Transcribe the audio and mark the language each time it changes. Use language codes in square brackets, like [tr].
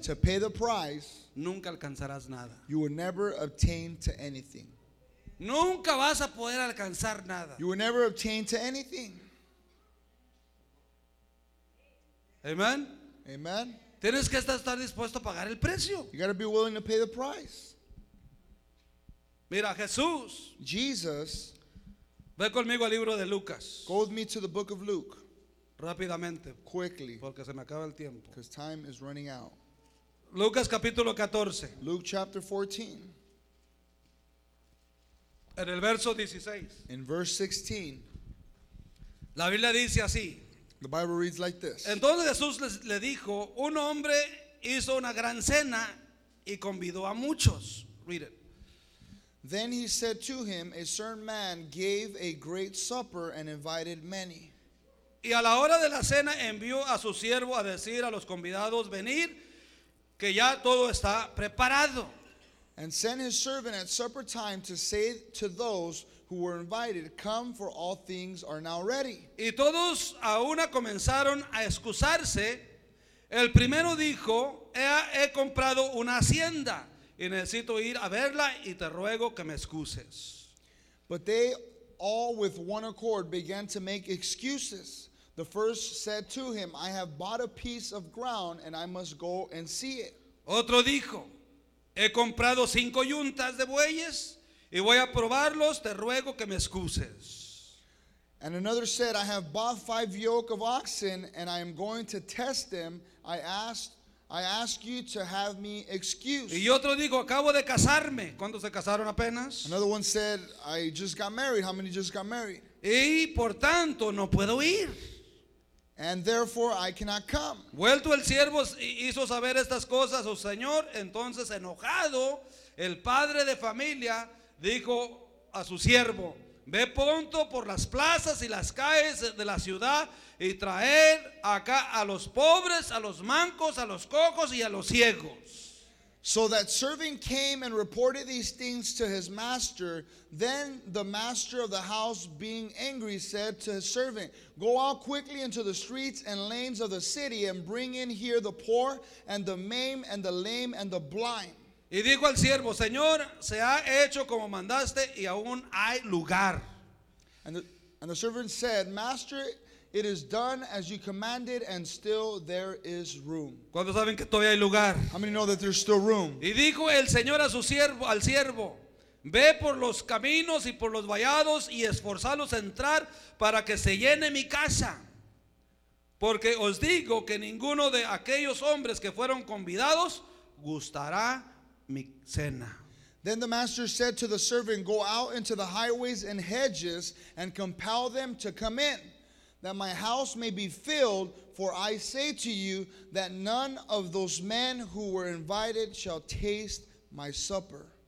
[en] to pay the price, [es] nunca alcanzarás nada. [en] You will never obtain to anything. [es] Nunca vas a poder alcanzar nada. [en] You will never obtain to anything. Amen. Amen. [es] Tienes que estar dispuesto a pagar el precio. [en] You got to be willing to pay the price. [es] Mira, Jesús. [en] Jesus. [es] Ve conmigo al libro de Lucas. [en] Go with me to the book of Luke. [es] Rápidamente, [en] quickly, [es] porque se me acaba el tiempo. [en] Because time is running out. [es] Lucas capítulo 14. [en] Luke chapter 14. [es] En el verso 16. [en] In verse 16. [es] La Biblia dice así. [en] The Bible reads like this. [es] Entonces Jesús le dijo, un hombre hizo una gran cena y convidó a muchos. [en] Read it. Then he said to him, a certain man gave a great supper and invited many. [es] Y a la hora de la cena envió a su siervo a decir a los convidados, venid, que ya todo está preparado. [en] And sent his servant at supper time to say to those who were invited, come, for all things are now ready. [es] Y todos a una comenzaron a excusarse. El primero dijo, he comprado una hacienda y necesito ir a verla y te ruego que me excuses. [en] But they all with one accord began to make excuses. The first said to him, I have bought a piece of ground and I must go and see it. [es] Otro dijo, he comprado 5 yuntas de bueyes y voy a probarlos, te ruego que me excuses. [en] And another said, I have bought 5 yoke of oxen and I am going to test them. I ask you to have me excused. [es] Y otro dijo, acabo de casarme. ¿Cuándo se casaron apenas? [en] Another one said, I just got married. How many just got married? [es] Y por tanto no puedo ir. [en] And therefore I cannot come. [es] Vuelto el siervo hizo saber estas cosas su señor, entonces enojado el padre de familia dijo a su siervo, ve pronto por las plazas y las calles de la ciudad y traer acá a los pobres, a los mancos, a los cojos y a los ciegos. [en] So that servant came and reported these things to his master. Then the master of the house, being angry, said to his servant, go out quickly into the streets and lanes of the city and bring in here the poor and the maimed and the lame and the blind. [es] Y dijo al siervo, Señor, se ha hecho como mandaste y aún hay lugar. [en] And the servant said, Master, it is done as you commanded, and still there is room. [es] ¿Cuántos saben que todavía hay lugar? [en] How many know that there's still room? [es] Y dijo el Señor a su siervo, al siervo, ve por los caminos y por los vallados y esforzalos a entrar para que se llene mi casa. Porque os digo que ninguno de aquellos hombres que fueron convidados gustará mi cena. [en] Then the master said to the servant, go out into the highways and hedges and compel them to come in, that my house may be filled, for I say to you that none of those men who were invited shall taste my supper.